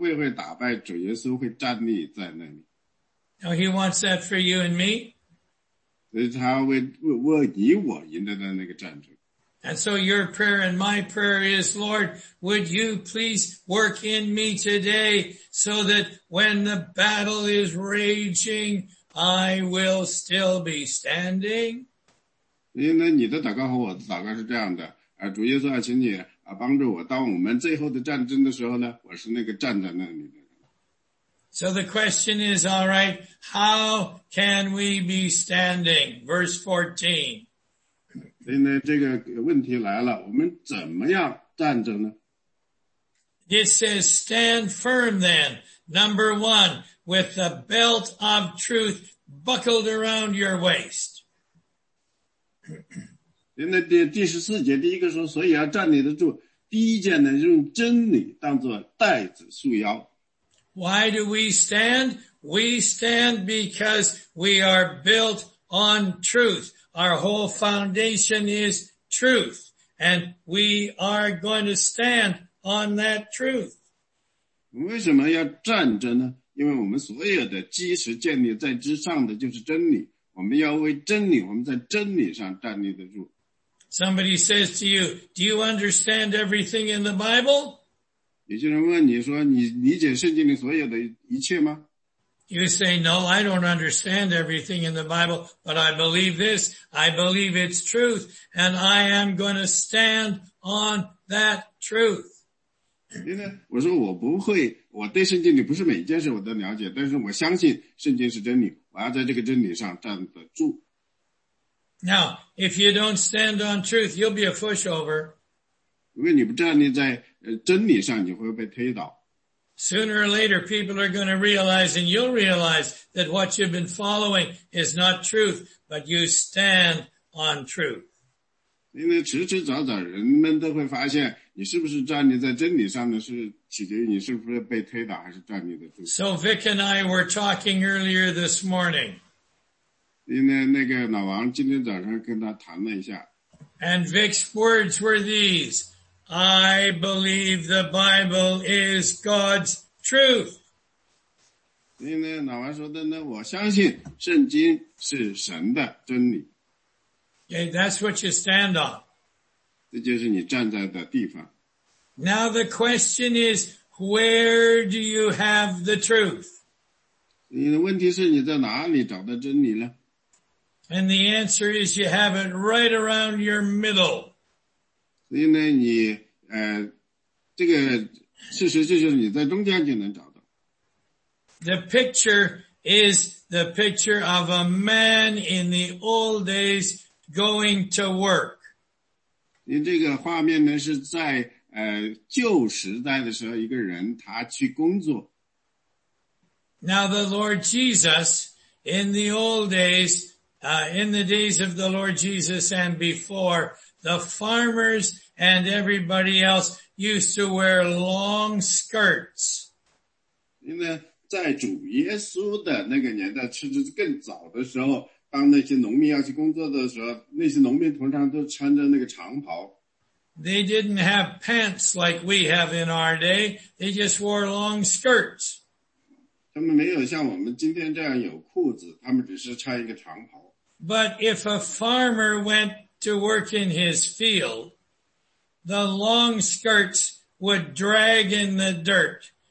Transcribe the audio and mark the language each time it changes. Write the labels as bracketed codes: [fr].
[zh] 所以主耶稣所有敌人都不会打败，主耶稣会站立在那里。 [en] Now he wants that for you and me. [zh] 所以他为你我赢得的那个战争。 [en] And so your prayer and my prayer is, Lord, would you please work in me today so that when the battle is raging, I will still be standing. [zh] 因为你的祷告和我的祷告是这样的，主耶稣啊，请你帮助我，当我们最后的战争的时候呢，我是那个站在那里的人。 [en] So the question is, all right, how can we be standing? Verse 14. [zh] 所以呢，这个问题来了，我们怎么样站着呢？ [en] It says, stand firm then, number one, with the belt of truth buckled around your waist. [zh] 那第14节第一个说，所以要站立得住，第一件呢，用真理当作带子束腰。 [en] Why do we stand? We stand because we are built on truth. Our whole foundation is truth, and we are going to stand on that truth. [zh] 为什么要站着呢？因为我们所有的基石建立在之上的就是真理。我们要为真理，我们在真理上站立得住。 [en] Somebody says to you, do you understand everything in the Bible? [zh] 有些人问你说你理解圣经里所有的一切吗？ [en] You say, no, I don't understand everything in the Bible, but I believe this, I believe it's truth, and I am going to stand on that truth. [zh] 我说我不会，我对圣经里不是每一件事我都了解，但是我相信圣经是真理，我要在这个真理上站得住。 [en] Now, if you don't stand on truth, you'll be a pushover. [zh] 如果你不站立在真理上，你会被推倒。 [en] Sooner or later, people are going to realize, and you'll realize that what you've been following is not truth, but you stand on truth. [zh] 因为迟迟早早，人们都会发现你是不是站立在真理上呢？是取决于你是不是被推倒，还是站立的住。 [en] So Vic and I were talking earlier this morning. [zh] 因为那个老王今天早上跟他谈了一下。 [en] And Vic's words were these, I believe the Bible is God's truth. [zh] 因为老王说的呢，我相信圣经是神的真理。 [en] Okay, that's what you stand on. [zh] 这就是你站在的地方。 [en] Now the question is, where do you have the truth? [zh] 你的问题是你在哪里找到真理呢？ [en] And the answer is you have it right around your middle. [zh] 所以呢你这个事实就是你在中间就能找到。 [en] The picture is the picture of a man in the old days going to work. [zh] 你这个画面呢是在旧时代的时候一个人他去工作。 [en] Now the Lord Jesus in the old days in the days of the Lord Jesus and before, the farmers and everybody else used to wear long skirts. [zh] 因为在主耶稣的那个年代，甚至更早的时候，当那些农民要去工作的时候，那些农民通常都穿着那个长袍。 [en] They didn't have pants like we have in our day. They just wore long skirts. [zh] 他们没有像我们今天这样有裤子，他们只是穿一个长袍。 [en] But if a farmer went to work in his field, the long skirts would drag in the dirt.